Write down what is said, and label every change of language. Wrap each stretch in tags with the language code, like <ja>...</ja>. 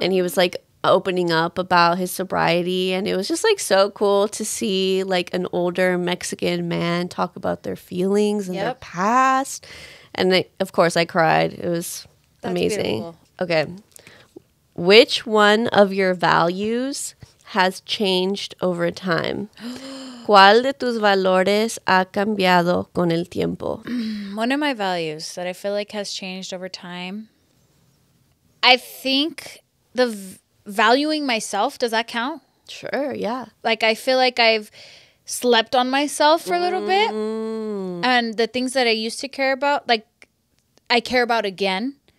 <en>And he was, like, opening up about his sobriety, and it was just like so cool to see like an older Mexican man talk about their feelings and yep. their past, and they, of course I cried. It was That's amazing. Beautiful. Okay, which one of your values has changed over time?</en> <es>¿Cuál de tus valores ha cambiado con el tiempo?</es> <en>One of my values that I feel like has changed over time, I think the valuing myself, does that count? Sure, yeah. Like, I feel like I've slept on myself for a little bit. And the things that I used to care about, like, I care about again.</en>